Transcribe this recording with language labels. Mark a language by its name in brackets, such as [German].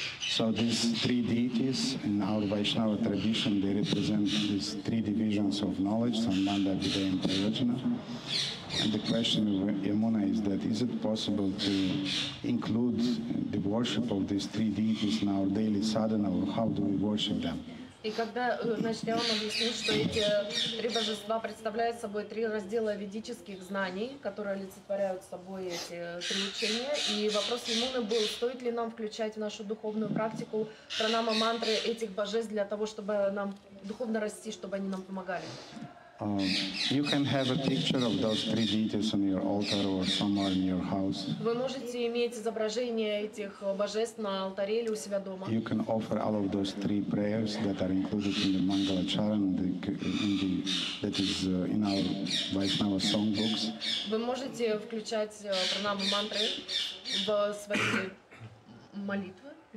[English] So these three deities in our Vaishnava tradition, they represent these three divisions of knowledge, Sambandha, Vidya and Prayojana. And the question of Yamuna is that, is it possible to include the worship of these three deities in our daily sadhana, or how do we worship them? [Russian] И когда, значит, я вам объясню, что эти три божества представляют собой три раздела ведических знаний, которые олицетворяют собой эти три учения, и вопрос Емуны был, стоит ли нам включать в нашу духовную практику пранама-мантры этих божеств для того, чтобы нам духовно расти, чтобы они нам помогали. [English] You can have a picture of those three deities on your altar or somewhere in your house. [Russian] Вы можете иметь изображение этих божеств на алтаре или у себя дома. [English] You can offer all of those three prayers that are included in the Mangalacharan, that is in our Vaishnava songbooks. [Russian] Вы можете включать пранама мантры в свои молитвы.